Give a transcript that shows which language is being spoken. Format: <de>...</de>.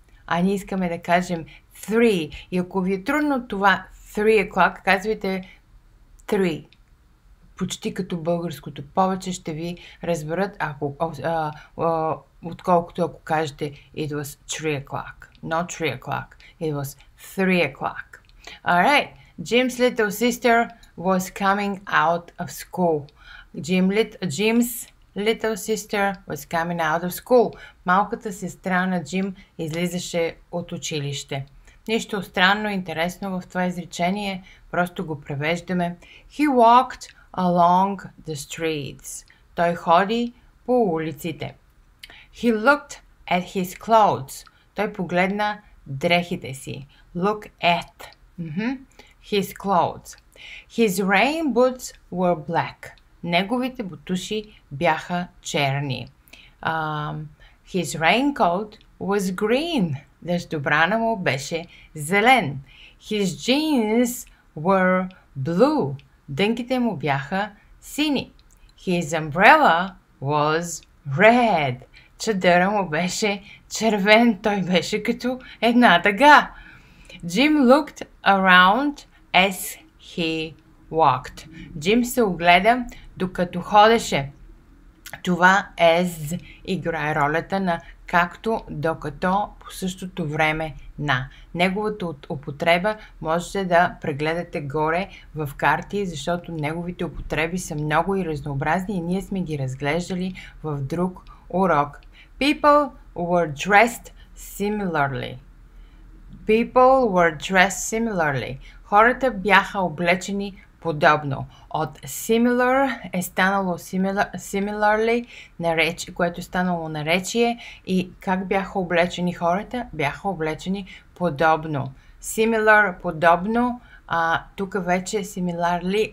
<bg>А ние искаме да кажем three. И ако ви е трудно това</bg> <en>3 o'clock,</en> <bg>казвайте three. Почти като българското. Повече ще ви разберат, ако... отколкото ако кажете</bg> <en>it was 3 o'clock. Not 3 o'clock. It was 3 o'clock. Alright. Jim's little sister was coming out of school. Jim's little sister was coming out of school.</en> <bg>Малката сестра на Джим излизаше от училище. Нищо странно, интересно в това изречение. Просто го превеждаме.</bg> <en>He walked along the streets.</en> <bg>Той ходи по улиците.</bg> <en>He looked at his clothes.</en> <bg>Той погледна дрехите си.</bg> <en>Look at. His clothes. His rain boots were black.</en> <bg>Неговите бутуши бяха черни.</bg> <en>His raincoat was green.</en> <bg>Дъждобрана му беше зелен.</bg> <en>His jeans were blue.</en> <bg>Дънките му бяха сини.</bg> <en>His umbrella was red.</en> <bg>Чадъра му беше червен. Той беше като една дъга.</bg> <en>Jim looked around as he walked.</en> <bg>Jim се огледа докато ходеше. Това as играе ролята на както, докато, по същото време на. Неговата употреба можете да прегледате горе в карти, защото неговите употреби са много и разнообразни и ние сме ги разглеждали в друг урок.</bg> <en>People were dressed similarly. People were dressed similarly.</en> <bg>Хората бяха облечени подобно. От similar е станало similarly, което станало наречие. И как бяха облечени хората? Бяха облечени подобно. Similar, подобно. Тук вече similarly.</bg>